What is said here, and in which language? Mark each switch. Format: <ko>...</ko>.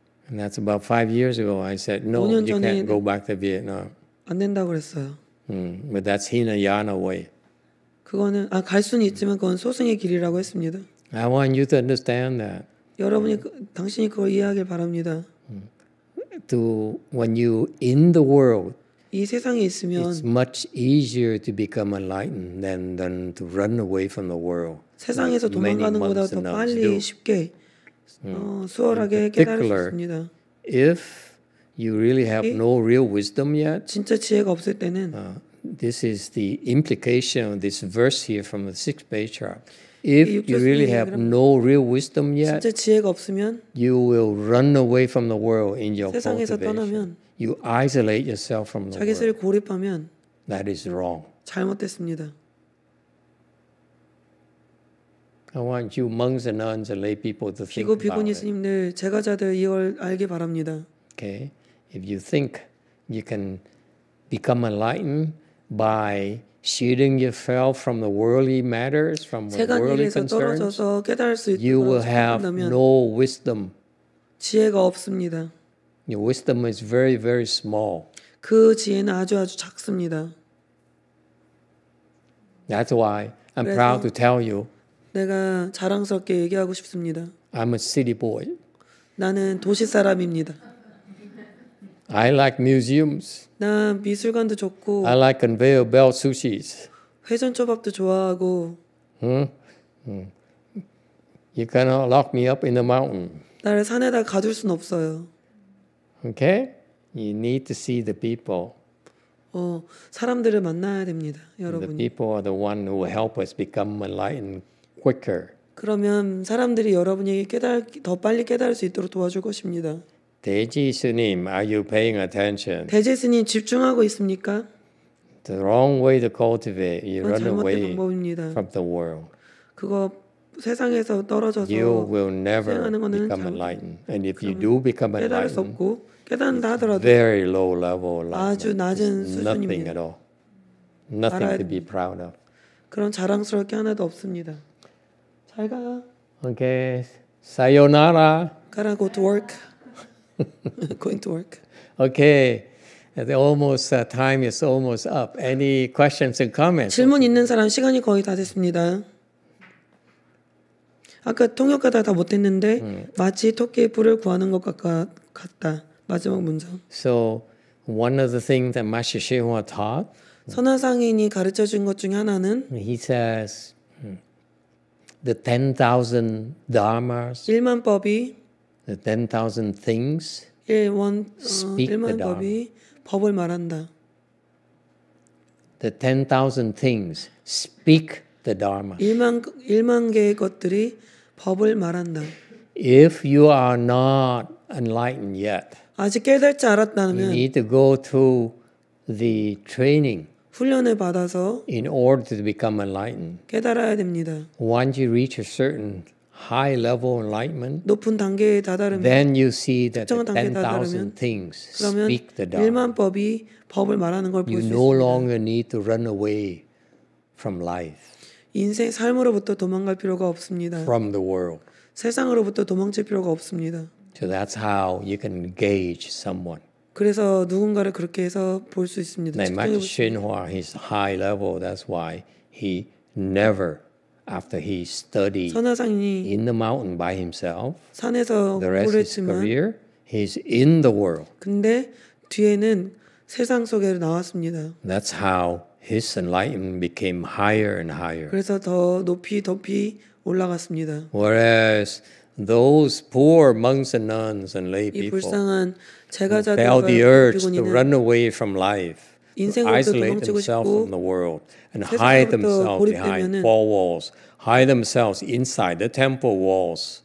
<en>And that's about 5 years ago I said no you can't go back to Vietnam.</en> <ko>안 된다고 그랬어요.</ko> <en>But that's Hinayana way.</en> <ko>그거는 아 갈 수는 있지만 그건 소승의 길이라고 했습니다.</ko> <en>I want you to understand that.</en> <ko>여러분이 당신이 그걸 이해하길 바랍니다.</ko> <en>To when you in the world,</en> <ko>이 세상에 있으면,</ko> <en>it's much easier to become enlightened than to run away from the world.</en> <ko>세상에서 도망가는 것보다 더 빨리 쉽게 수월하게 깨달을 수 있습니다.</ko> <en>If you really have no real wisdom yet,</en> <ko>진짜 지혜가 없을 때는,</ko> <en>this is the implication of this verse here from the sixth patriarch. If you really have no real wisdom yet,</en> <ko>진짜 지혜가 없으면,</ko> <en>you will run away from the world in your</en> <ko>세상에서</ko> <en>cultivation.</en> <ko>떠나면,</ko> <en>you isolate yourself from the</en> <ko>자기</ko> <en>world.</en> <ko>자기를 고립하면,</ko> <en>that is wrong.</en> <ko>잘못됐습니다.</ko> <en>I want you monks and nuns and lay people to think</en> <ko>비구, 비구니</ko> <en>about</en> <ko>스님들, 제가자들 이걸 알기 바랍니다.</ko> <en>Okay, if you think you can become enlightened by shielding yourself from the worldly matters, from the worldly concerns, you will have no wisdom.</en> <ko>지혜가 없습니다.</ko> <en>Your wisdom is very, very small.</en> <ko>그 지혜는 아주 아주 작습니다.</ko> <en>That's why I'm proud to tell you.</en> <ko>내가 자랑스럽게 얘기하고 싶습니다.</ko> <en>I'm a city boy.</en> <ko>나는 도시 사람입니다.</ko> <en>I like museums.</en> <ko>나 미술관도 좋고.</ko> <en>I like conveyor belt sushis.</en> <ko>회전 초밥도 좋아하고.</ko> <en>You cannot lock me up in the mountain.</en> <ko>나를 산에다 가둘 순 없어요.</ko> <en>Okay? You need to see the people.</en> <ko>사람들을 만나야 됩니다, 여러분.</ko> <en>The people are the one who will help us become enlightened quicker.</en> <ko>그러면 사람들이 여러분에게 더 빨리 깨달을 수 있도록 도와줄 것입니다.</ko> <en>대지 스님, are you paying attention?</en> <ko>대지 스님 집중하고 있습니까?</ko> <en>The wrong way to cultivate, you run away</en> <ko>방법입니다.</ko> <en>from the world.</en> <ko>그거 세상에서 떨어져서</ko> <en>you will never become enlightened. And if you do become enlightened,</en> <ko>없고, 깨닫는다 하더라도</ko> <en>very low level,</en> <ko>아주 낮은 수준입니다.</ko> <en>Nothing at all. Nothing</en> <ko>알아야...</ko> <en>to be proud of.</en> <ko>그런 자랑스러울 게 하나도 없습니다. 잘 가.</ko> <en>Okay. Sayonara. Gotta go to work. Going to work. Okay. It's almost time is almost up. Any questions and comments?</en> <ko>질문 있는 사람 시간이 거의 다 됐습니다. 아까 통역하다 다 못했는데 마치 토끼의 뿔을 구하는 것 같다. 마지막 문장.</ko> <en>So one of the things that Master Xuehua taught.</en> <ko>선화상인이 가르쳐 준 것 중에 하나는.</ko> <en>He says the 10,000 dharmas.</en> <ko>일만 법이.</ko> <en>The 10,000 things.</en> <ko>일만 법이 법을 말한다.</ko> <en>The 10,000 things speak the Dharma.</en> <ko>일만 개의 것들이 법을 말한다.</ko> <en>If you are not enlightened yet,</en> <ko>아직 깨달지 않았다면,</ko> <en>you need to go to the training.</en> <ko>훈련을 받아서, in order to become enlightened. 깨달아야 됩니다.</ko> <en>Once you reach a certain high level enlightenment,</en> <ko>높은 단계에 다다르면,</ko> <en>then you see that the 10,000 things speak the Dharma.</en> <ko>일만 법이 법을 말하는 걸 볼 수 있습니다.</ko> <en>You no longer need to run away from life.</en> <ko>인생 삶으로부터 도망갈 필요가 없습니다.</ko> <en>From the world.</en> <ko>세상으로부터 도망칠 필요가 없습니다.</ko> <en>So that's how you can gauge someone.</en> <ko>그래서 누군가를 그렇게 해서 볼 수 있습니다.</ko> <en>Now, Master Xuehua, his high level, that's why he never, after he studied</en> <ko>선화상이</ko> <en>in the mountain by himself,</en> <ko>산에서</ko> <en>the rest</en> <ko>오랫지만,</ko> <en>of his career, he's in the world.</en> <ko>근데 뒤에는 세상 속에 나왔습니다.</ko> <en>That's how his enlightenment became higher and higher.</en> <ko>그래서 더 높이 높이 올라갔습니다.</ko> <en>Whereas those poor monks and nuns and lay people felt the urge to run away from life, isolate themselves from the world, and hide themselves behind four walls, hide themselves inside the temple walls,</en>